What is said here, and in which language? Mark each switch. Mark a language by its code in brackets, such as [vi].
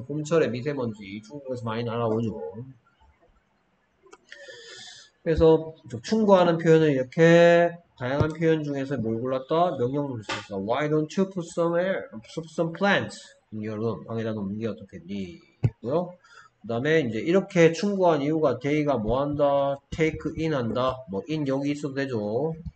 [ko] 봄철에 미세먼지 중국에서 많이 날아오죠. 그래서 충고하는 표현은 이렇게 다양한 표현 중에서 뭘 골랐다? 명령문을 썼다. [en] Why don't you put some air, put some plants in your room? [ko] 방에다 놓는 게 어떻겠니? 했고요. 그다음에 이제 이렇게 충고한 이유가 데이가 뭐 한다? Take in 한다. 뭐 in 여기 있어도 되죠.